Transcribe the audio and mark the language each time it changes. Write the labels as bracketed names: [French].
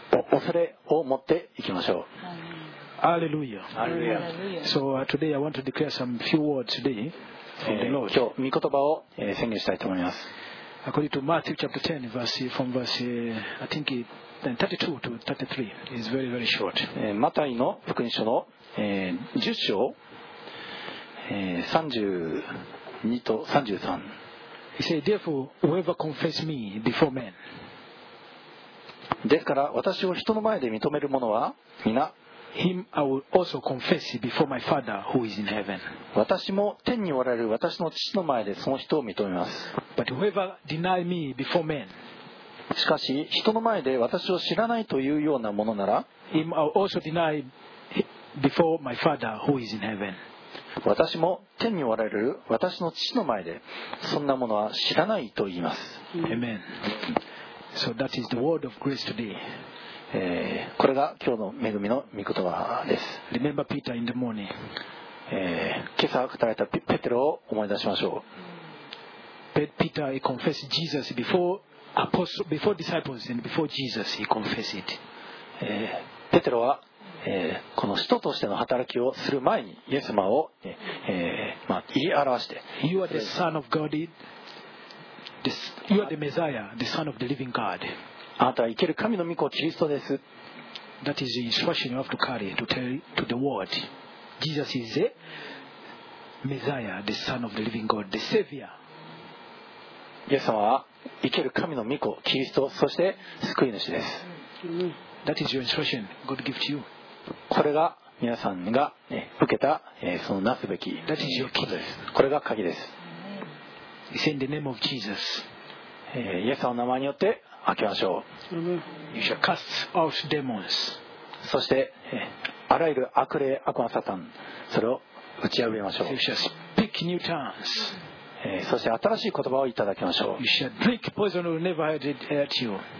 [Japanese] 恐れを持っていきましょう。 [English] Hallelujah. Hallelujah. So today I want to declare some few words today from the Lord. [Japanese] 今日御言葉を宣言したいと思います。 [English] According to Matthew chapter 10, verse, from verse, I think, 32 to 33, is very, very short. [Japanese] マタイの福音書の10章32と33。 [English] He said, Therefore, whoever confesses me before men. [Japanese] ですから、私を人の前で認める者は皆。 [English] Him I will also confess before my Father who is in heaven. [Japanese] 私も天におられる私の父の前でその人を認めます。 [English] But whoever deny me before men, [Japanese] しかし人の前で私を知らないというようなものなら、 [English] Him I will also deny before my Father who is in heaven. [Japanese] 私も天におられる私の父の前でそんなものは知らないと言います。 [English] Amen. So that is the word of grace today. [Japanese] これが今日の恵みの御言葉です。 [English] Remember Peter in the morning. [Japanese] 今朝語られた ペテロを思い出しましょう。 [English] Peter he confessed Jesus before, apostles, before disciples and before Jesus he confessed it. [Japanese] ペテロは、この使徒としての働きをする前にイエス様を、まあ、言い表して [English] You are the son of God, You are the Messiah, the son of the living God. [Japanese] あなたは生ける神の御子キリストです。 [English] That is the instruction you have to carry to tell to the world. Jesus is the Messiah, the Son of the Living God, the Savior. [Japanese] イエス様は生ける神の御子キリスト、そして救い主です。 [English] That is your instruction. God give to you. [Japanese] これが皆さんが、ね、受けた、そのなすべき。 [English] That is your key. [Japanese] これが鍵です。 [English] It's in the name of Jesus. [Japanese] イエス様の名前によって。開けましょう。 [English] You shall cast out demons. [Japanese] そしてあらゆる悪霊悪魔サタンそれを打ち破りましょう。 [English] You shall speak new tongues. [Japanese] そして新しい言葉をいただきましょう。 [English] You shall drink poison will never hurt you.